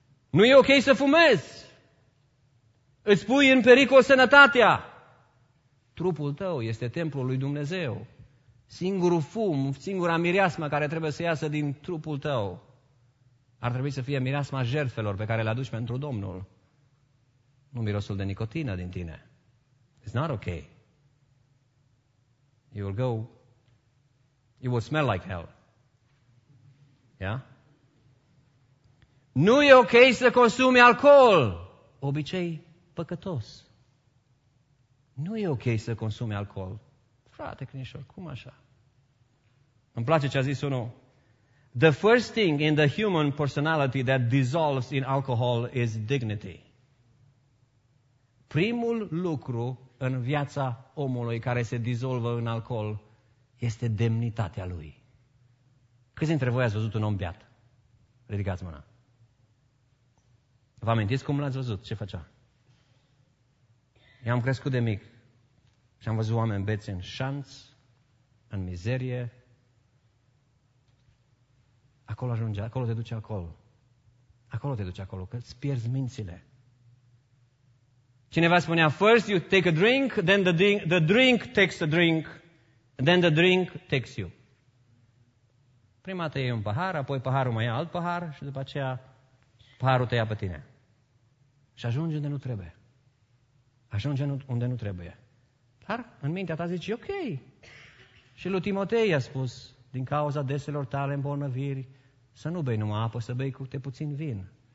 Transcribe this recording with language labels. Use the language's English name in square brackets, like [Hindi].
[Romanian] Nu e ok să fumezi. Îți pui în pericol sănătatea. Trupul tău este templul lui Dumnezeu. singurul fum, singura mireasmă care trebuie să iasă din trupul tău, ar trebui să fie mireasma jertfelor pe care le aduci pentru Domnul. Nu mirosul de nicotină din tine. [English] It's not okay. You will go, you will smell like hell. Yeah? [Romanian] Nu e ok să consumi alcool, obicei păcătos. Nu e ok să consumi alcool. Frate Crinișor, cum așa? Îmi place ce a zis unul. [English] The first thing in the human personality that dissolves in alcohol is dignity. [Romanian] Primul lucru în viața omului care se dizolvă în alcool este demnitatea lui. Câți dintre voi ați văzut un om beat? Ridicați mâna. Vă amintiți cum l-ați văzut? Ce făcea? Eu am crescut de mic și am văzut oameni beți în șanț, în mizerie. Acolo ajunge, acolo te duce alcool. Acolo te duce acolo, că îți pierzi mințile. Cineva spunea, [English] first you take a drink, then the drink takes a drink, then the drink takes you. [Romanian] Prima te iei un pahar, apoi paharul mai ia alt pahar și după aceea paharul te ia pe tine. Și ajunge unde nu trebuie. Ajunge unde nu trebuie. Dar în mintea ta zici, ok. Și lui Timotei a spus, din cauza deselor tale îmbolnăviri, să nu bei numai apă, să bei câte puțin vin.